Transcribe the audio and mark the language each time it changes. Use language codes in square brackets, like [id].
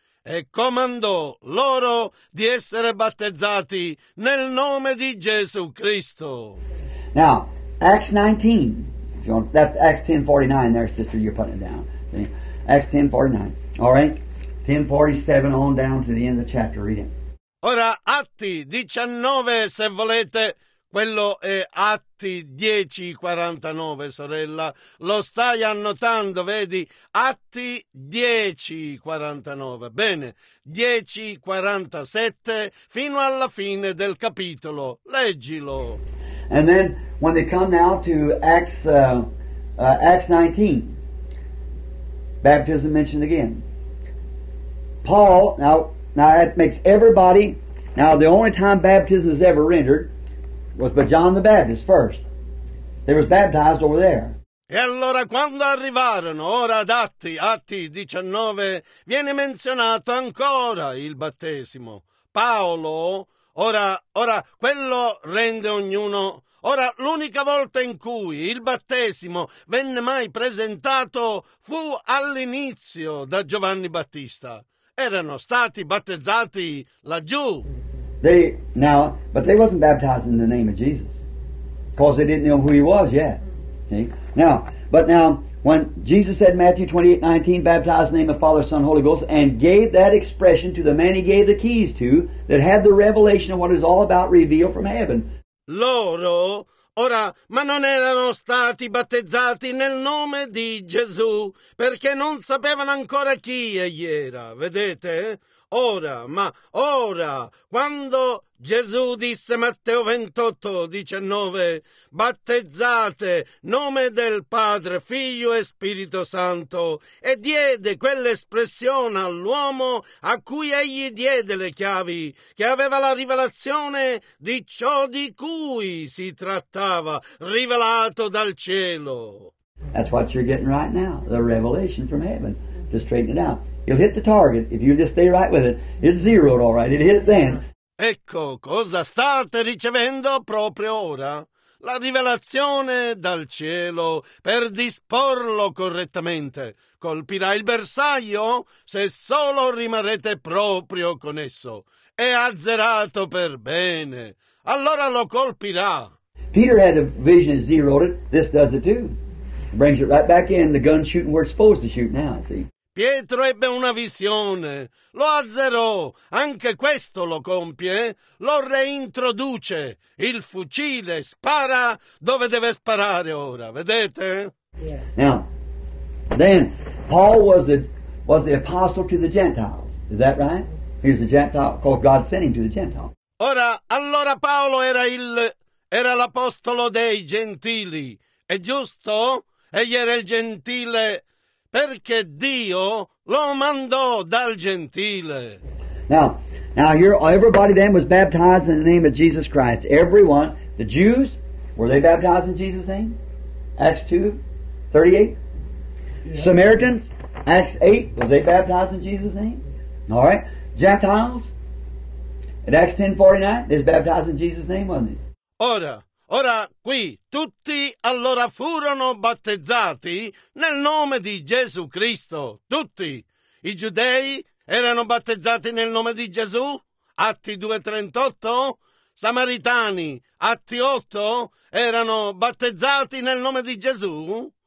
[it] E comandò loro di essere battezzati nel nome di Gesù Cristo. [en] Now, Acts 19, that's Acts 10:49 there, sister, you're putting it down. See? Acts 10:49. All right, 10:47 on down to the end of the chapter, read it. [it] Ora, Atti 19, se volete. Quello è Atti 10:49, sorella. Lo stai annotando, vedi? Atti 10:49. Bene, 10:47 fino alla fine del capitolo. Leggilo. [en] And then when they come now to Acts 19, baptism mentioned again. Paul, now that makes everybody, now the only time baptism is ever rendered was by John the Baptist first. They were baptized over there. [it] E allora quando arrivarono, ora ad Atti 19, viene menzionato ancora il battesimo. Paolo, ora quello rende ognuno. Ora, l'unica volta in cui il battesimo venne mai presentato fu all'inizio da Giovanni Battista. Erano stati battezzati laggiù. [en] But they wasn't baptized in the name of Jesus, because they didn't know who he was yet. See? Now, when Jesus said in Matthew 28:19, baptize in the name of Father, Son, Holy Ghost, and gave that expression to the man he gave the keys to, that had the revelation of what is all about revealed from heaven. [it] Loro, ora, ma non erano stati battezzati nel nome di Gesù, perché non sapevano ancora chi egli era, vedete? Ora, quando Gesù disse Matteo 28:19, battezzate nome del Padre, Figlio e Spirito Santo, e diede quell'espressione all'uomo a cui egli diede le chiavi, che aveva la rivelazione di ciò di cui si trattava, rivelato dal cielo. [en] That's what you're getting right now, the revelation from heaven. Just straighten it out. You'll hit the target if you just stay right with it. It's zeroed, all right. It hit it then. [it] Ecco cosa state ricevendo proprio ora. La rivelazione dal cielo per disporlo correttamente. Colpirà il bersaglio se solo rimarrete proprio con esso. È azzerato per bene. Allora lo colpirà. [en] Peter had a vision and zeroed it. This does it too. Brings it right back in. The gun shooting where it's supposed to shoot now, see. [it] Pietro ebbe una visione, lo azzerò, anche questo lo compie, lo reintroduce, il fucile spara dove deve sparare ora, vedete? [en] Yeah. Now, then, Paul was the apostle to the Gentiles, is that right? He was a Gentile, called God sent him to the Gentiles. [it] Ora, allora Paolo era l'apostolo dei gentili, è giusto? Egli era il gentile... Perché Dio lo mandò dal gentile. [en] Now here everybody then was baptized in the name of Jesus Christ. Everyone, the Jews, were they baptized in Jesus' name? Acts 2:38. Yeah. Samaritans, Acts 8, was they baptized in Jesus' name? All right. Gentiles, in Acts 10:49, they was baptized in Jesus' name, wasn't it? [it] Ora qui tutti allora furono battezzati nel nome di Gesù Cristo, tutti. I giudei erano battezzati nel nome di Gesù, Atti 2:38, samaritani, Atti 8, erano battezzati nel nome di Gesù.